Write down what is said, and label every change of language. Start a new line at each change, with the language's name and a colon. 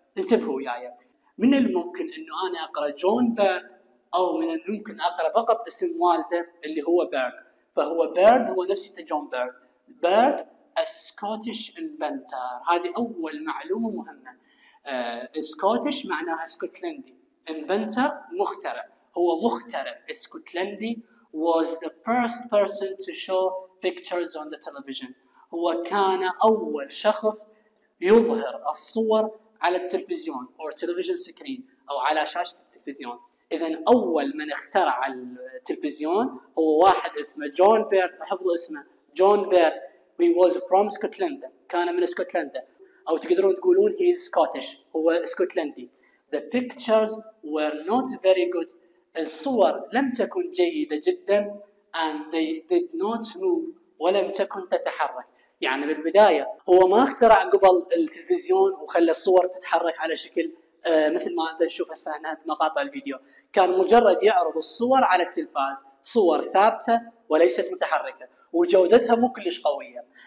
Arabic: انتبهوا يا عيال، من الممكن انه انا اقرا جون بيرد او من الممكن اقرا فقط اسم والده اللي هو بيرد، فهو بيرد هو نفسه جون بيرد. بيرد
English: a Scottish inventor،
Arabic: هذه اول معلومه مهمه. سكوتش معناها اسكتلندي، انفنتر مخترع، هو مخترع اسكتلندي.
English: was the first person to show pictures on the television،
Arabic: هو كان اول شخص يظهر الصور على التلفزيون
English: or television screen
Arabic: او على شاشه التلفزيون. اذا اول من اخترع التلفزيون هو واحد اسمه جون بيرد، احفظ اسمه جون بيرد.
English: he was from scotland،
Arabic: كان من اسكتلندا، أو تقدرون تقولون
English: he is Scottish،
Arabic: هو اسكتلندي.
English: The pictures were not very good،
Arabic: الصور لم تكن جيدة جدا،
English: and they did not move،
Arabic: ولم تكن تتحرك. يعني بالبداية هو ما اخترع قبل التلفزيون وخلى الصور تتحرك على شكل مثل ما نشوف هسه مقاطع الفيديو، كان مجرد يعرض الصور على التلفاز، صور ثابتة وليست متحركة، وجودتها مو كلش قوية.